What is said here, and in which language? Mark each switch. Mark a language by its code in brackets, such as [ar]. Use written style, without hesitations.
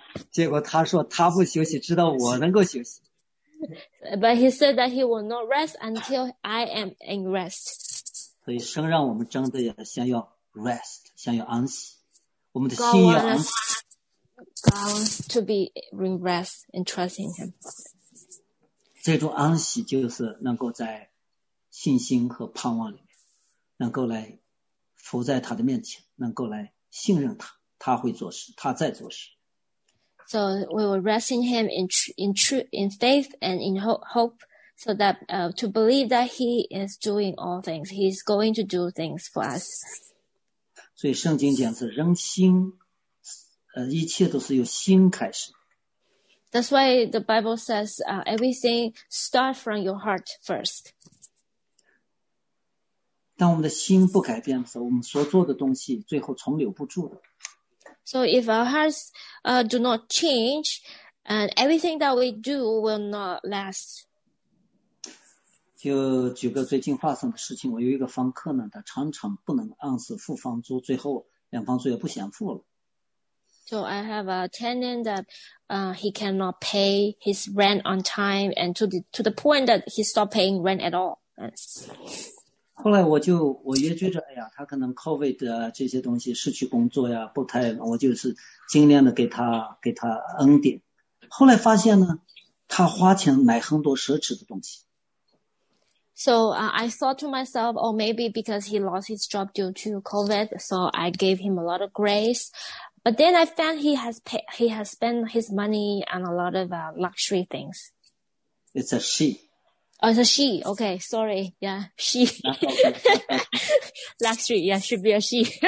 [zh] 结果他说他不休息，直到我能够休息。 [en] But he said that he will not rest until I am in rest. [zh] 所以神让我们真的想要 rest， 想要安息，我们的心要安息。 [en] God wants to be in rest and trust in Him. [zh] 这种安息就是能够在信心和盼望里面，能够来伏在他的面前，能够来信任他，他会做事，他在做事。 [en] So we will rest in Him in faith and in hope, so that to believe that He is doing all things, He is going to do things for us. [zh] 所以圣经讲是人心，一切都是由心开始。 [en] That's why the Bible says everything starts from your heart first. [zh] 当我们的心不改变的时候，我们所做的东西最后存留不住的。 [en] So if our hearts do not change, and everything that we do will not last. [zh] 就举个最近发生的事情，我有一个房客呢，他常常不能按时付房租，最后两房租也不想付了。 [en] So I have a tenant that he cannot pay his rent on time, and to the point that he stopped paying rent at all. [zh] 后来我也觉得，哎呀，他可能 COVID 的这些东西失去工作呀，不太，我就是尽量的给他恩典。后来发现呢，他花钱买很多奢侈的东西。 [en] So I thought to myself, oh, maybe because he lost his job due to COVID, so I gave him a lot of grace. But then I found he has spent his money on a lot of luxury things. It's a she. Oh, it's a she. Okay, sorry. Yeah, she. Luxury. Yeah, should be a she.